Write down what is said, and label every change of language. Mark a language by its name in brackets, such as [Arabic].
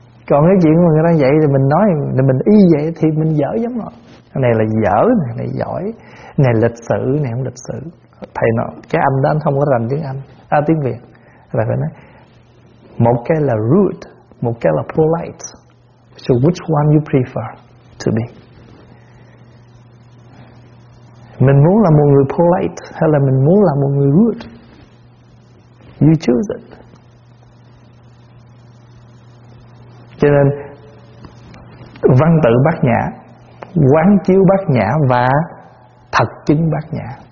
[Vietnamese] Còn cái chuyện mà người ta vậy thì mình nói thì mình y vậy thì mình dở giống họ. Này là dở, này giỏi, này lịch sự, này không lịch sự. Thầy nói cái anh đó anh không có rành tiếng Anh, à tiếng Việt. Là phải nói một cái là rude, một cái là polite. [English] So which one you prefer to be? [Vietnamese] Mình muốn là một người polite hay là mình muốn là một người rude? [English] You choose it. [Vietnamese] Cho nên văn tự bát nhã, quán chiếu bát nhã và thật chứng bát nhã.